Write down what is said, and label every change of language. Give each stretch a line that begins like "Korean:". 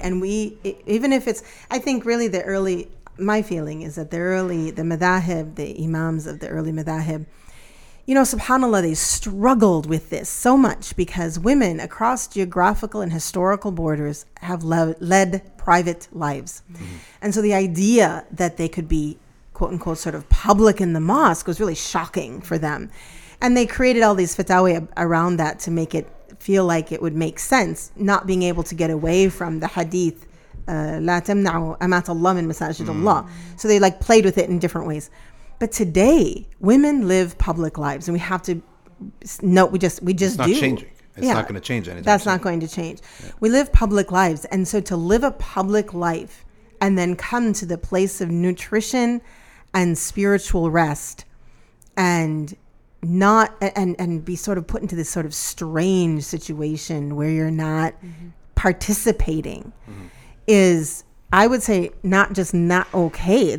English: And I think really the early, my feeling is that the madahib, the imams of the early madahib, you know, subhanAllah, they struggled with this so much because women across geographical and historical borders have led private lives. Mm-hmm. And so the idea that they could be, quote unquote, sort of public in the mosque was really shocking for them. And they created all these fatawa around that to make it feel like it would make sense, not being able to get away from the hadith
Arabic: لا تمنعوا أمات الله من مساجد الله.
English: So they like played with it in different ways. But today, women live public lives, and we have to note, we just it's not changing. It's not going to change anything. That's not going to change. Yeah. We live public lives. And so to live a public life and then come to the place of nutrition and spiritual rest and not and be sort of put into this sort of strange situation where you're not participating is, I would say, not just not okay.